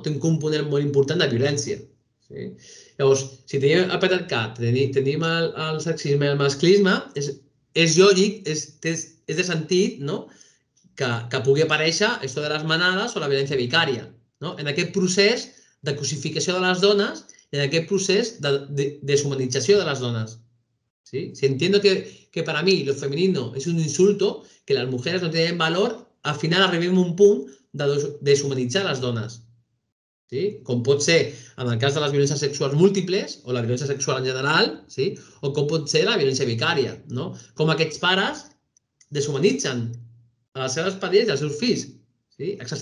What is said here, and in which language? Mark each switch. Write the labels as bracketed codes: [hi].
[ca] Té un component molt important de violència. Sí. Llavors, si tenim el patriarcat, tenim el sexisme i el masclisme, és lògic, és de sentit, no? que pugui aparèixer això de les manades o la violència vicària, no? En aquest procés de cosificació de les dones i en aquest procés de deshumanització de les dones. Sí? [es] Si entiendo que para mí lo femenino es un insulto, que las mujeres no tienen valor, [ca] al final arribem a un punt de deshumanitzar les dones. Sí? Com pot ser en el cas de les violències sexuals múltiples o la violència sexual en general, sí? O com pot ser la violència vicària, no? Com aquests pares deshumanitzen a les seves parelles i als seus fills, sí?